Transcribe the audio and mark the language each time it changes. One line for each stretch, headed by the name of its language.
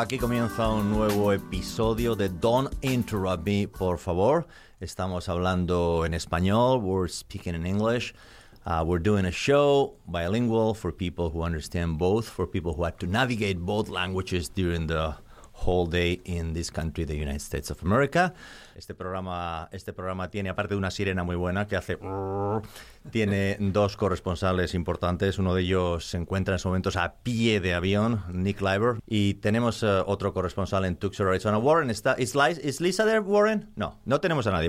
Spanish: Aquí comienza un nuevo episodio de Don't Interrupt Me, por favor. Estamos hablando en español.
English: We're speaking in English. We're doing a show bilingual for people who understand both, for people who had to navigate both languages during the whole day in this country, the United States of America.
Spanish: Este programa tiene, aparte de una sirena muy buena que hace, tiene dos corresponsales importantes. Uno de ellos se encuentra en estos momentos a pie de avión, Nick Leiber, y tenemos otro corresponsal en Tucson, Arizona. Warren,
English: ¿is Lisa there,
Spanish: Warren? No, no tenemos a nadie.